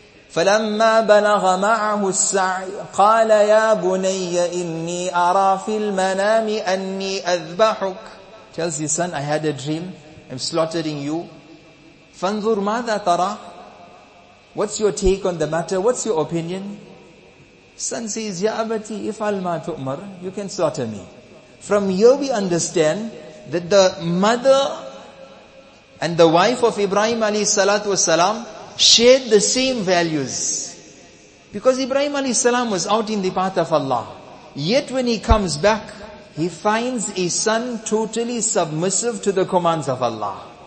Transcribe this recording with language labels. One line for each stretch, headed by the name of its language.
Arabic: فَلَمَّا بَلَغَ مَعَهُ السَّعْيَ قَالَ يَا بُنَيَّ إِنِّي أَرَى فِي الْمَنَامِ أَنِّي أَذْبَحُكَ.
English: Tells his son, I had a dream, I'm slaughtering you.
Arabic: فَانْظُرْ مَاذَا تَرَى.
English: What's your take on the matter? What's your opinion? Son says,
Arabic: يَا أَبَتِي إِفْعَلْ مَا تُؤْمَرْ.
English: You can slaughter me. From here we understand that the mother and the wife of Ibrahim alayhi salatu was salam shared the same values. Because Ibrahim alayhi salam was out in the path of Allah. Yet when he comes back, he finds a son totally submissive to the commands of Allah.